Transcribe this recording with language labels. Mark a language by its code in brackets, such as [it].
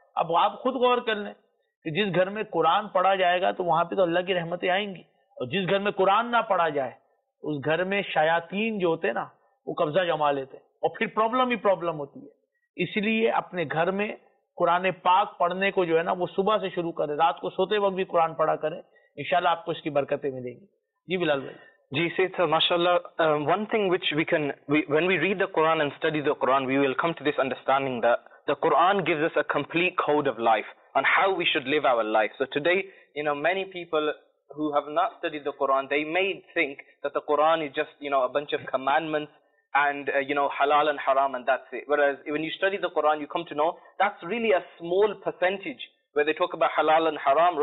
[ur] اب آپ خود غور کر لیں کہ جس گھر میں قرآن پڑھا جائے گا تو وہاں پہ تو اللہ کی رحمتیں آئیں گی, اور جس گھر میں قرآن نہ پڑھا جائے اس گھر میں شیاطین جو ہوتے نا وہ قبضہ جما لیتے اور پھر پرابلم ہی پرابلم ہوتی ہے. اس لیے اپنے گھر میں قرآن پاک پڑھنے کو جو ہے نا وہ صبح سے شروع کرے, رات کو سوتے وقت بھی قرآن پڑھا کرے, انشاءاللہ آپ کو اس کی برکتیں ملیں گی. جی بلال بھائی. جی سید, ماشاء اللہ. [en] One thing which we can when we read the Quran and study the Quran we will come to this understanding the Quran gives us a complete code of life and how we should live our life. So today you know many people who have not study the Quran they may think the Quran is just you know a bunch of commandments and you know halal and haram and that's it, whereas when you study the Quran you come to know that's really a small percentage where they talk about halal and haram.